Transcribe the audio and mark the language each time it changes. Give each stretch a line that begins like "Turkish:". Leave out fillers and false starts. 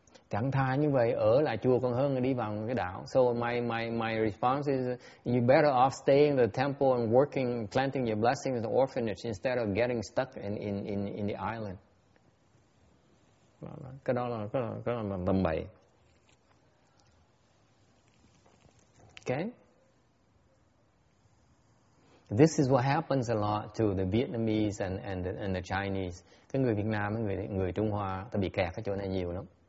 Vietnamese: Chẳng thà như vậy ở lại chùa còn hơn là đi vào cái đảo.
English: So my response is you better off staying in the temple and working, planting your blessings in the orphanage instead of getting stuck in the island.
Vietnamese: Cái đó là tầm bậy.
English: Okay? This is what happens a lot to the Vietnamese and the Chinese.
Vietnamese: Cái người Việt Nam, người Trung Hoa, ta bị kẹt ở chỗ này nhiều lắm.